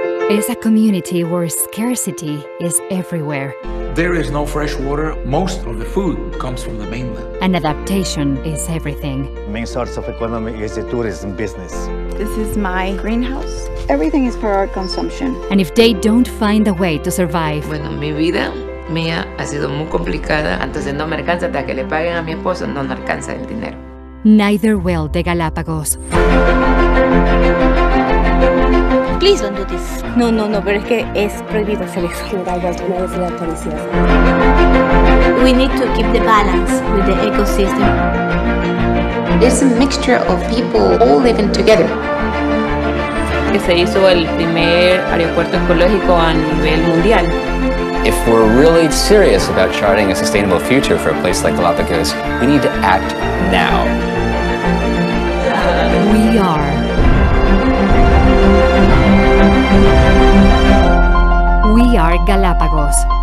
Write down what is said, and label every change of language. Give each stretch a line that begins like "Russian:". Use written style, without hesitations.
English: It's a community where scarcity is everywhere. There is no fresh water. Most of the food comes from the mainland. And adaptation is everything. The main source of economy is the tourism business. This is my greenhouse. Everything is for our consumption. And if they don't find a way to survive...
Spanish: Bueno, mi vida, mía, ha sido muy complicada. Entonces no me alcanza hasta que le paguen a mi esposo, no me alcanza el dinero.
English: Neither will the Galapagos. Please don't do this.
Spanish: No, pero es que es prohibido hacer eso. Que vaya a decir la policía.
English: We need to keep the balance with the ecosystem. There's a mixture of people all living together.
Spanish: Que se hizo el primer aeropuerto ecológico a nivel mundial.
English: If we're really serious about charting a sustainable future for a place like Galapagos, we need to act now. We are. We are Galapagos.